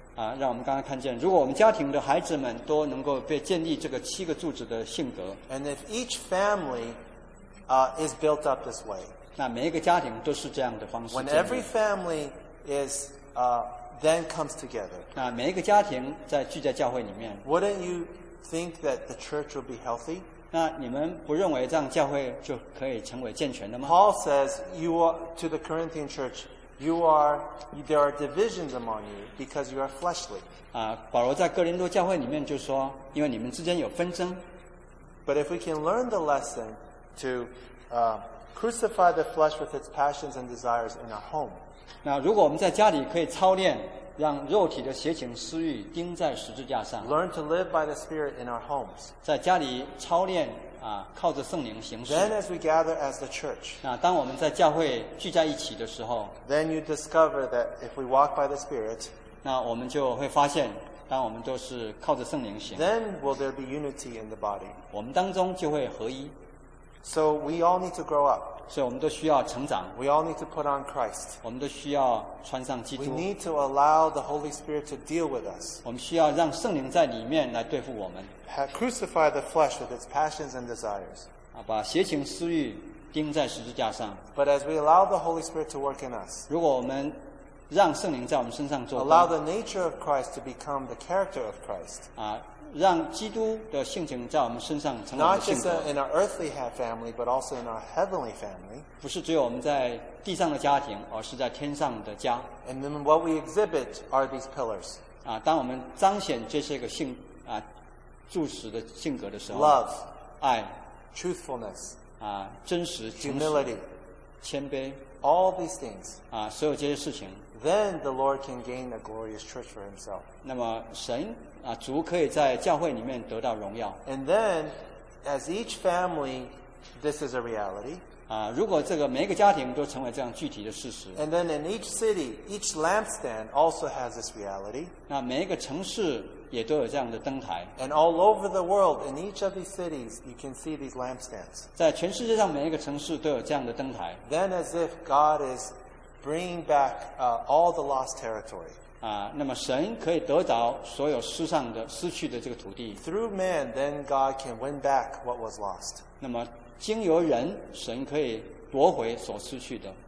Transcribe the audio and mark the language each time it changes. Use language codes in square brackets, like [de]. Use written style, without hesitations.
[zh] 啊，让我们刚刚看见，如果我们家庭的孩子们都能够被建立这个七个柱子的性格。 [en] And if each family, is built up this way. [zh] 那每一个家庭都是这样的方式。 [en] When every family is, then comes together. [zh] 那每一个家庭在聚在教会里面。 [en] Wouldn't you think that the church will be healthy? [zh] 那你们不认为这样教会就可以成为健全的吗？ [en] Paul says, you are, to the Corinthian church, there are divisions among you because you are fleshly. [zh] 啊，保罗在哥林多教会里面就说，因为你们之间有纷争。 [en] But if we can learn the lesson to, crucify the flesh with its passions and desires in our home. [zh] 那如果我们在家里可以操练，让肉体的邪情私欲钉在十字架上。 [en] Learn to live by the Spirit in our homes. [zh] 在家里操练啊，靠着圣灵行事。 [en] Then, as we gather as the church, [zh] 那当我们在教会聚在一起的时候 [en] ，then you discover that if we walk by the Spirit, [zh] 那我们就会发现，当我们都是靠着圣灵行。 [en] Then will there be unity in the body? [zh] 我们当中就会合一。 [en] So we all need to grow up. [zh] 所以我们都需要成长。 [en] We all need to put on Christ. [zh] 我们都需要穿上基督。 [en] We need to allow the Holy Spirit to deal with us. [zh] 我们需要让圣灵在里面来对付我们。 [en] Crucify the flesh with its passions and desires. [zh] 把邪情私欲钉在十字架上。 [en] But as we allow the Holy Spirit to work in us. [zh] 如果我们让圣灵在我们身上做工。 [en] Allow the nature of Christ to become the character of Christ. [zh] 让基督的性情在我们身上成为我们的性格。 [en] Not just in our earthly family, but also in our heavenly family. [zh] 不是只有我们在地上的家庭，而是在天上的家。 [en] And then what we exhibit are these pillars. [zh] 当我们彰显这些个性柱石的性格的时候。 [en] Love. [zh] 爱。 [en] Truthfulness. [zh] 真实。 [en] Humility. [zh] 谦卑。 [en] All these things. [zh] 所有这些事情。 [en] Then the Lord can gain a glorious church for himself. [zh] 那么神主可以在教会里面得到荣耀。 [en] And then, as each family, this is a reality. [zh] 如果这个每一个家庭都成为这样具体的事实。 [en] And then in each city, each lampstand also has this reality. [zh] 那每一个城市也都有这样的灯台。 [en] And all over the world, in each of these cities, you can see these lampstands. [zh] 在全世界上每一个城市都有这样的灯台。 [en] Then as if God is bringing back, all the lost territory. [zh] 那么神可以得着所有失上的、失去的这个土地。 [en] Through man, then God can win back what was lost. [zh] 那么经由人，神可以夺回所失去的。